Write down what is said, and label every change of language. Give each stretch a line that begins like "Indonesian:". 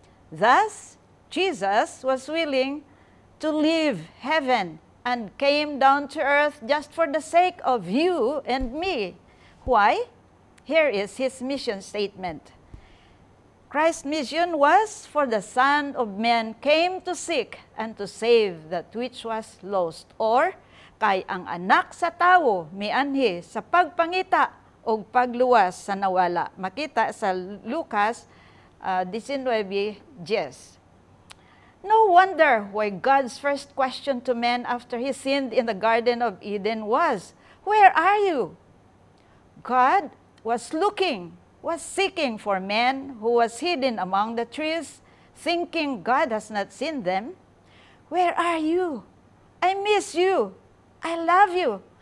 English: Thus, Jesus was willing to leave heaven and came down to earth just for the sake of you and me. Why? Here is his mission statement. Christ's mission was, for the Son of Man came to seek and to save that which was lost.
Cebuano: Or, kay ang anak sa tao may anhi sa pagpangita o pagluwas sa nawala. Makita sa Lucas 19:10.
English: No wonder why God's first question to man after he sinned in the Garden of Eden was, "Where are you?" God was seeking for man who was hidden among the trees, thinking God has not seen them. Where are you? I miss you. I love you.